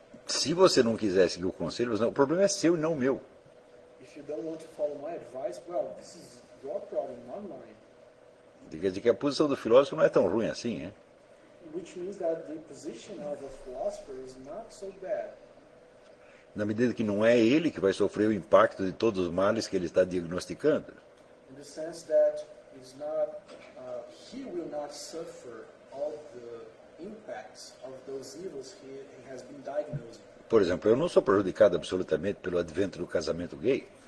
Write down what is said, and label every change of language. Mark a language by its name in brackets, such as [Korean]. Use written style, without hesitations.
[Portuguese] Se você não quiser seguir o conselho, o problema é seu e não meu. [English] If you don't want to follow my advice, well, this is your problem, not mine. [Portuguese] Quer dizer que a posição do filósofo não é tão ruim assim, hein? [English] Which means that the position of a philosopher is not so bad. [Portuguese] Na medida que não é ele que vai sofrer o impacto de todos os males que ele está diagnosticando. [English] In the sense that it's not, he will not suffer all the impacts of those evils he has been diagnosed. [Portuguese] Por exemplo, eu não sou prejudicado absolutamente pelo advento do casamento gay.